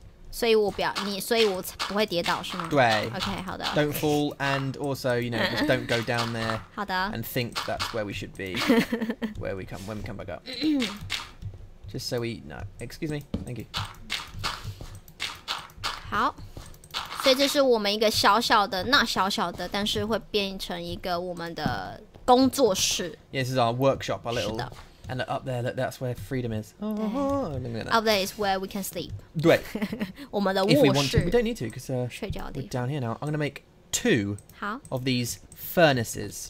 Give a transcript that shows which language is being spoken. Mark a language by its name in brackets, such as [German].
[Chinese] 所以我不要你，所以我不会跌倒，是吗？对。 OK， 好的。 [English] Don't fall, and also, you know, just don't go down there. [Chinese] 好的。 [English] And think that's where we should be, when we come back up. just so we no, excuse me, thank you. [Chinese] 好，所以这是我们一个小小的，那小小的，但是会变成一个我们的工作室。 [English] Yes, it's our workshop, a little. [Chinese] 是的。 [English] And up there, look, that's where freedom is. Oh, up there is where we can sleep. [Chinese] 对我们的卧室 [English] If we want to, we don't need to, because we're down here now. I'm going to make two of these furnaces.